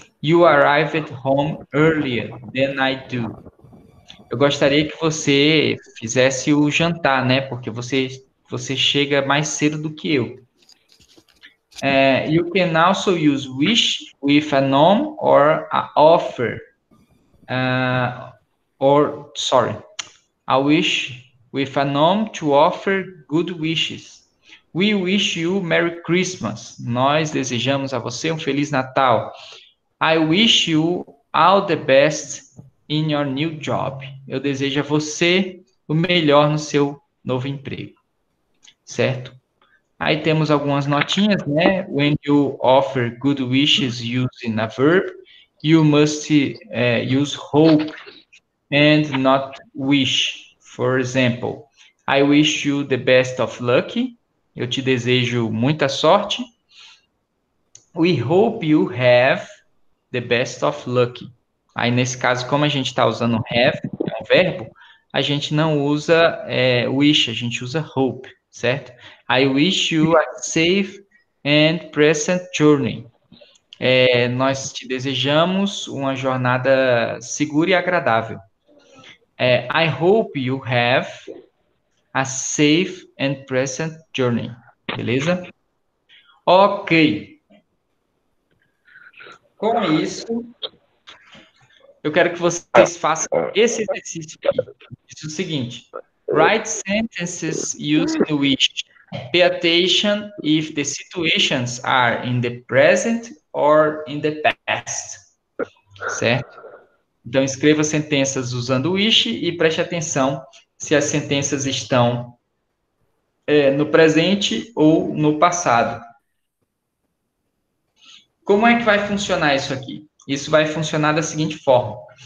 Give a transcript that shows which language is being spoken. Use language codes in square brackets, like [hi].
[en] You arrive at home earlier than I do. [pt] Eu gostaria que você fizesse o jantar, né? Porque você chega mais cedo do que eu. [en] You can also use wish with a noun or an offer. I wish with a noun to offer good wishes. [pt] We wish you Merry Christmas. Nós desejamos a você um Feliz Natal. [en] I wish you all the best in your new job. [pt] Eu desejo a você o melhor no seu novo emprego. Certo? Aí temos algumas notinhas, né? [en] When you offer good wishes using a verb, you must use hope and not wish. For example, I wish you the best of luck. [pt] Eu te desejo muita sorte. We hope you have the best of luck. Aí, nesse caso, como a gente está usando have, é um verbo, a gente não usa wish, a gente usa hope, certo? [en] I wish you a safe and pleasant journey. [pt] É, nós te desejamos uma jornada segura e agradável. [en] É, I hope you have a safe and pleasant journey. [pt] Beleza? Ok. Com isso, eu quero que vocês façam esse exercício aqui. [en] É o seguinte. Write sentences using the wish. Pay attention if the situations are in the present or in the past. [pt] Certo? Então, escreva sentenças usando o wish e preste atenção se as sentenças estão no presente ou no passado. Como é que vai funcionar isso aqui? Isso vai funcionar da seguinte forma.